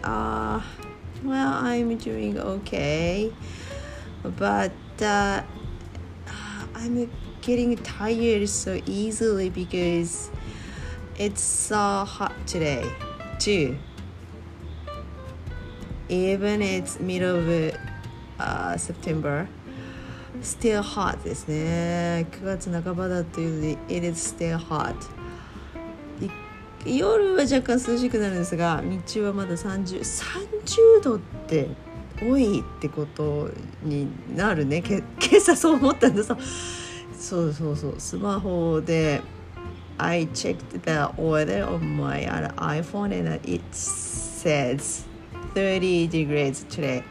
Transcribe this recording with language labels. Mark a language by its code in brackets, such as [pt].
[en] Well, I'm doing okay, but I'm getting tired so easily because it's so hot today, too. Even it's middle of September, still hot ですね。 [ja] 9月半ばだというので、 [en] it is still hot. [ja] 夜は若干涼しくなるんですが、日中はまだ30度って多いってことになるね。今朝そう思ったんだ。そうスマホで [en] I checked the weather on my iPhone and it says 30 degrees today.